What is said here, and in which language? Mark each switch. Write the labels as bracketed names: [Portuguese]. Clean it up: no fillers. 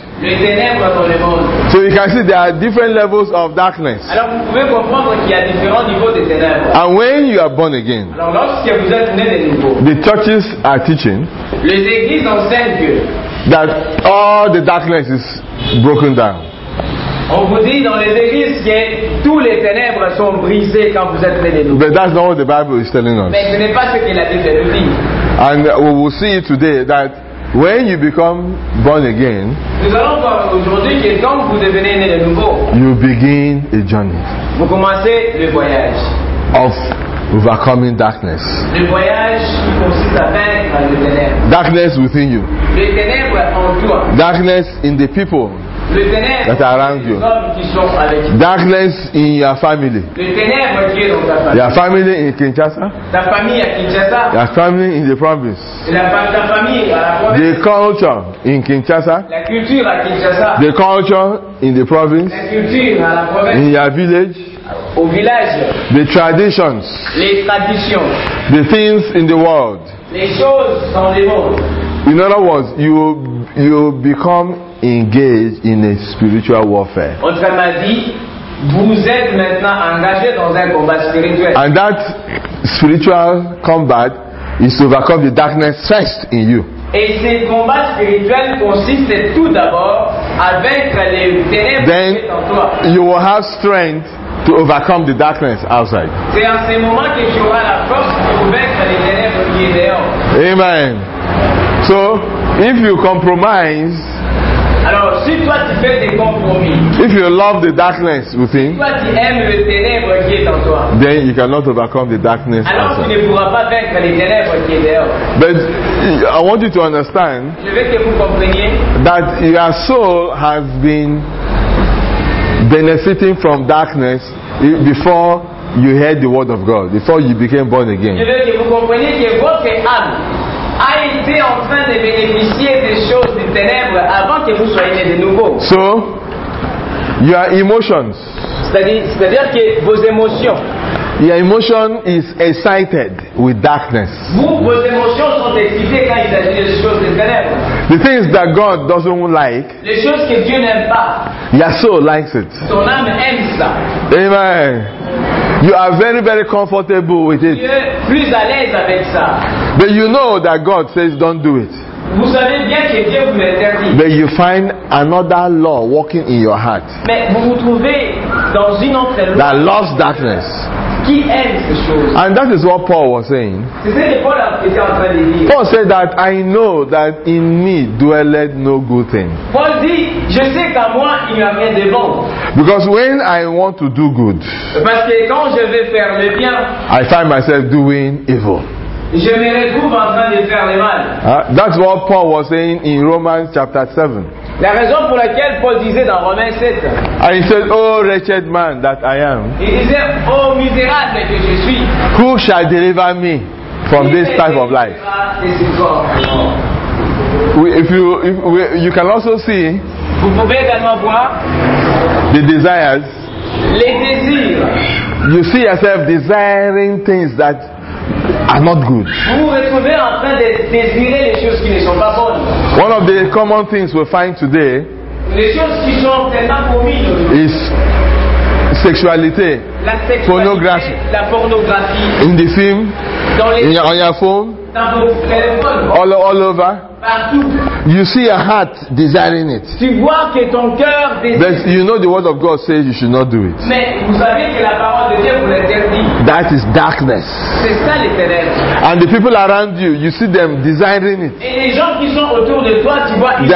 [English] So you can see there are different levels of darkness. And when you are born again, the churches are teaching that all the darkness is broken down. [French] On vous dit dans les églises que tous les ténèbres sont brisées quand vous êtes nés de nouveau. [English] But that's not what the Bible is telling us. [French] Mais ce n'est pas ce que la Bible nous dit. [English] And we will see today that when you become born again, [French] nous allons voir aujourd'hui que quand vous devenez né de nouveau, [English] you begin a journey. [French] Vous commencez le voyage. [English] Of overcoming darkness. [French] Le voyage qui consiste à vaincre le ténèbre. [English] Darkness within you. [French] Le ténèbre en toi. [English] Darkness in the people. [French] Le ténèbre [English] that are around you. Darkness in your family. Your family in Kinshasa. [French] Ta famille à Kinshasa. [English] Your family in the province. [French] Ta famille à la province. [English] The culture in Kinshasa. [French] La culture à Kinshasa. [English] The culture in the province. [French] La culture à la province. [English] In your village. [French] Au village. [English] The traditions. [French] Les traditions. [English] The things in the world. [French] Les choses dans le monde. [English] In other words, you become engaged in a spiritual warfare. [French] Autrement dit, vous êtes maintenant engagé dans un combat spirituel. [English] And that spiritual combat is to overcome the darkness first in you. [French] Et ce combat spirituel consiste tout d'abord à vaincre les ténèbres. [English] Then you will have strength to overcome the darkness outside. [French] C'est en ce moment que tu auras la force pour vaincre les ténèbres qui sont dehors. [English] Amen. So, if you compromise. [French] Alors, si toi tu fais des compromis, [English] if you love the darkness within, [French] si toi tu aimes le ténèbre qui est en toi, [English] then you cannot overcome the darkness. [French] Alors [English] outside. [French] Tu ne pourras pas vaincre les ténèbres qui est dehors. [English] But I want you to understand. [French] Je veux que vous compreniez [English] that your soul has been benefiting from darkness before you heard the word of God, before you became born again. [French] Je veux que vous compreniez que votre âme a été en train de bénéficier des choses des ténèbres avant que vous soyez de nouveau. [English] So, your emotions. [French] C'est-à-dire que vos émotions. [English] Your emotion is excited with darkness. [French] Vos émotions sont excitées quand il s'agit des choses des ténèbres. [English] The things that God doesn't like. [French] Les choses que Dieu n'aime pas. [English] Your soul likes it. [French] Ton âme aime ça. [English] Amen. You are very, very comfortable with it. [French] Plus à l'aise avec ça. [English] But you know that God says don't do it. [French] Vous savez bien que Dieu vous l'interdit. [English] But you find another law working in your heart. [French] Mais vous vous trouvez dans une autre loi. [English] That loves darkness. [French] Qui aime ces choses. [English] And that is what Paul was saying. [French] C'est ce que Paul était en train de dire. [English] Paul said that I know that in me dwelleth no good thing. [French] Paul dit, je sais qu'en moi il n'y a rien de bon. [English] Because when I want to do good, [French] parce que quand je veux faire le bien, [English] I find myself doing evil. [French] Je me retrouve en train de faire le mal. [English] That's what Paul was saying in Romans chapter 7. [French] La raison pour laquelle Paul disait dans Romains 7. [English] And he said, oh wretched man that I am. [French] Il disait, oh misérable que je suis. [English] Who shall deliver me from this type of life? If you can also see. [French] Vous pouvez également voir. [English] The desires. [French] Les désirs. [English] You see yourself desiring things that are not good. [French] Vous vous retrouvez en train de désirer les choses qui ne sont pas bonnes. [English] One of the common things we find today, [French] les choses qui sont tellement communes, [English] is sexuality, [French] la sexualité, [English] pornography, [French] la pornographie, [English] in the film, [French] dans les films, [English] on your phone, [French] dans vos téléphones, [English] all over. You see your heart desiring it. [French] Tu vois que ton cœur désire. [English] But you know the word of God says you should not do it. [French] Mais vous savez que la parole de Dieu vous l'interdit. [English] That is darkness. [French] C'est ça les ténèbres. [English] And the people around you, you see them desiring it. [French] Et les gens qui sont autour de toi, tu vois,